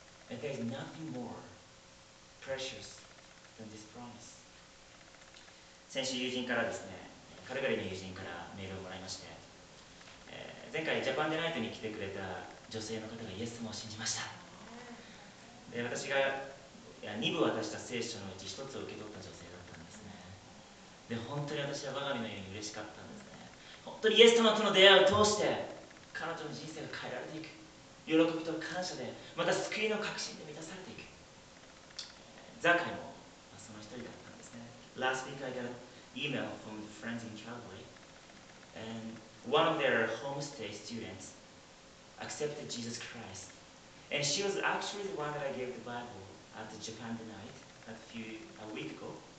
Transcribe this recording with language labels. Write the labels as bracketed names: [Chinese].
[English] And there is nothing more precious than this promise. [Japanese] 先週友人からですね、カルガリの友人からメールをもらいまして、前回ジャパンデライトに来てくれた女性の方がイエス様を信じました。で、私が2部渡した聖書のうち1つを受け取った女性だったんですね。で、本当に私は我が身のように嬉しかったんですね。本当にイエス様との出会いを通して彼女の人生が変えられていく。喜びと感謝で、また救いの確信で満たされていく。ザカイもその一人だったんですね。 [English] Last week I got email from the friends in Calgary, and one of their homestay students accepted Jesus Christ. And she was actually the one that I gave the Bible at the Japan Tonight a week ago.